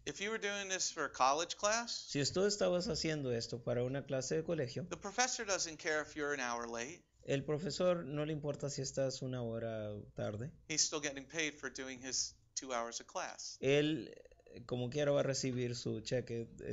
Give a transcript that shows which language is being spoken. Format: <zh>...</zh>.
<en>If you were doing this for a college class,</en> <es>si tú estabas haciendo esto para una clase de colegio,</es> <en>the professor doesn't care if you're an hour late.</en> <es>El profesor no le importa si estás una hora tarde.</es> <en>He's still getting paid for doing his 2 hours of class.</en> <es>Él como quiera va a recibir su cheque</es>